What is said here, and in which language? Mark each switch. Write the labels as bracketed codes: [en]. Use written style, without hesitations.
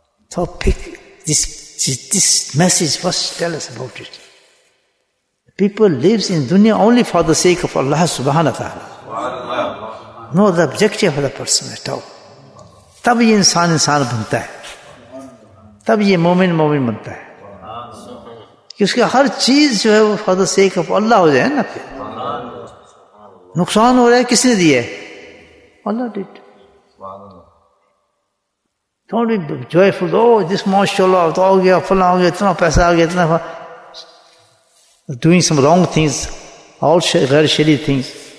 [en] So pick this message, what tell us about it? People lives in dunya only for the sake of Allah subhanahu wa ta'ala. No other objective of the person at all. [ur] Tab ye insan banta hai. تب یہ مومن مومن بنتا ہے کہ اس کا ہر چیز جو ہے وہ [en] for the sake of Allah [ur] ہو جائے نا پھر نقصان ہو رہا ہے کس نے دیا اللہ [en] did don't be joyful of this [ur] ماشاء اللہ تو آ گیا فلاں ہو گیا اتنا پیسہ آ گیا اتنا [en] doing some wrong things, all very shady things.